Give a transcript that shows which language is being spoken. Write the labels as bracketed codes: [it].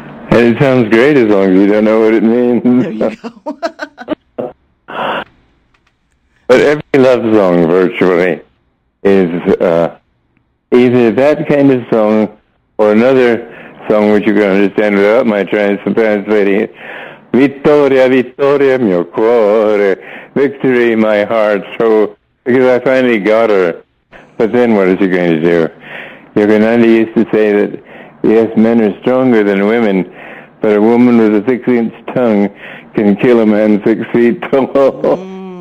[en] And it sounds great as long as you don't know what it means. There you go. But every love song virtually is either that kind of song or another song which you can understand without my translating it. [it] Vittoria, vittoria, mio cuore. [en] Victory, my heart. So, because I finally got her. But then what is she going to do? Yogananda used to say that, yes, men are stronger than women, but a woman with a 6-inch tongue can kill a man 6 feet tall. Mm.